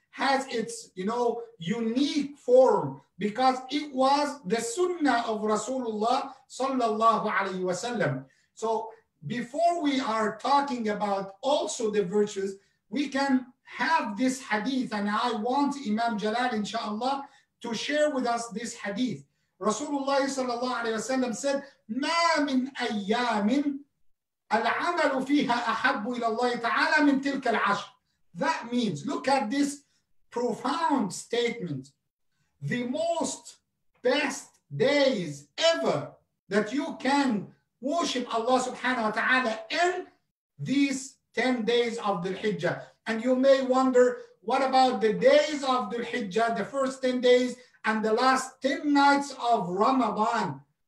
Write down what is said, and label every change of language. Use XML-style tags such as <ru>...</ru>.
<en>has its, you know, unique form because it was the sunnah of Rasulullah sallallahu alayhi wa sallam. So before we are talking about also the virtues, we can have this hadith, and I want Imam Jalal, inshallah, to share with us this hadith. Rasulullah sallallahu alayhi wa sallam said,</en> <ar>مَا مِنْ أَيَّامٍ الْعَمَلُ فِيهَا أَحَبُّ إِلَى اللَّهِ تَعَالَى مِنْ تِلْكَ الْعَشْرِ.</ar> <en>That means, look at this profound statement. The most best days ever that you can worship Allah subhanahu wa ta'ala in these 10 days of Dhul Hijjah. And you may wonder, what about the days of Dhul Hijjah, the first 10 days and the last 10 nights of Ramadan?</en>